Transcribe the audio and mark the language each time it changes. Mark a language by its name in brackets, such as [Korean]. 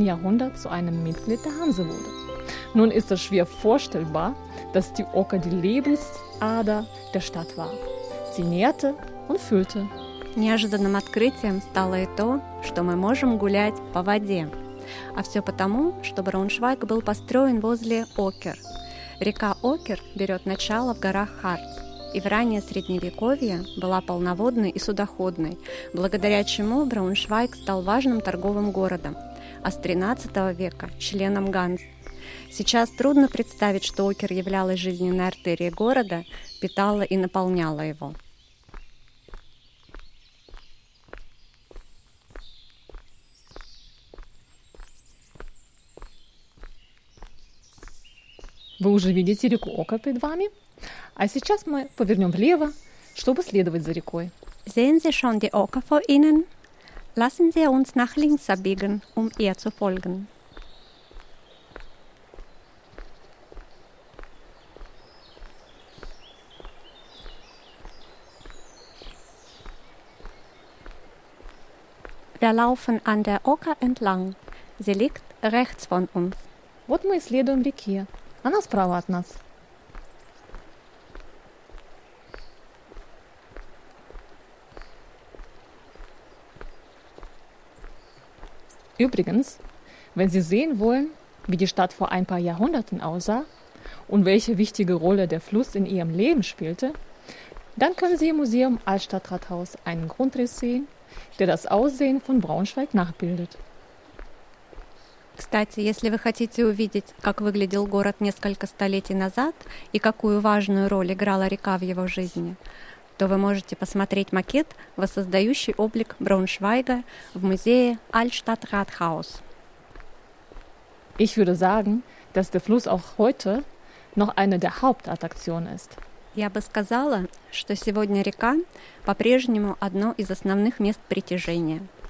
[German] Jahrhundert zu einem Mitglied der Hanse wurde. Nun ist es schwer vorstellbar, dass die Oker die Lebensader der Stadt war. Sie nährte und füllte. [Russian] Неожиданным открытием стало и то, что мы можем гулять по воде. А все потому, что Брауншвайг был построен возле Окер. Река Окер берет начало в горах Харц и в раннее Средневековье была полноводной и судоходной, благодаря чему Брауншвайг стал важным торговым городом, а с 13 века – членом Ганз. Сейчас трудно представить, что Окер являлась жизненной артерией города, питала и наполняла его. Вы уже видите реку Ока перед вами, а сейчас мы повернем влево, чтобы следовать за рекой. [German] Sehen Sie schon die Oker vor Ihnen? Lassen Sie uns nach links abbiegen, um ihr zu folgen. Wir laufen an der Oker entlang. Sie liegt rechts von uns. [Russian] Вот мы исследуем реки. Она справа от нас. [German] Übrigens, wenn Sie sehen wollen, wie die Stadt vor ein paar Jahrhunderten aussah und welche wichtige Rolle der Fluss in ihrem Leben spielte, dann können Sie im Museum Altstadtrathaus einen Grundriss sehen, der das Aussehen von Braunschweig nachbildet. [Russian] Кстати, если вы хотите увидеть, как выглядел город несколько столетий назад и какую важную роль играла река в его жизни, то вы можете посмотреть макет, воссоздающий облик Брауншвайга в музее Altstadtrathaus. [German] Ich würde sagen, dass der Fluss auch heute noch eine der Hauptattraktionen ist. [Russian] Я бы сказала, что сегодня река по-прежнему одно из основных мест притяжения.